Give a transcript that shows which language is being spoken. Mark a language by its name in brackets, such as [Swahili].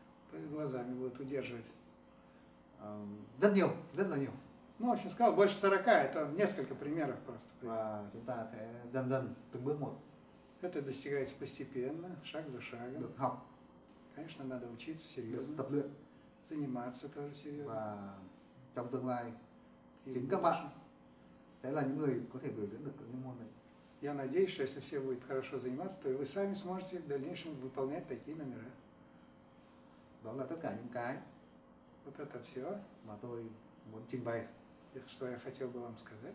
[Russian] То есть глазами будут удерживать. [Vietnamese] Rất nhiều, rất là nhiều. [Russian] Ну, в общем, сказал, больше 40, это несколько примеров просто. [Vietnamese] Và chúng ta sẽ dần dần, từng bước một. [Russian] Это достигается постепенно, шаг за шагом. [Vietnamese] Được học. [Russian] Конечно, надо учиться серьезно. [Vietnamese] Được tập luyện. [Russian] Заниматься тоже серьезно. [Vietnamese] Và trong tương lai chính các bạn sẽ là những người có thể gửi dẫn được những môn này. [Russian] Я надеюсь, что если все будет хорошо заниматься, то и вы сами сможете в дальнейшем выполнять такие номера. [Vietnamese] Đó là tất cả những cái. [Russian] Вот это все. [Vietnamese] Mà tôi muốn trình bày. [Russian] Что я хотел бы вам сказать.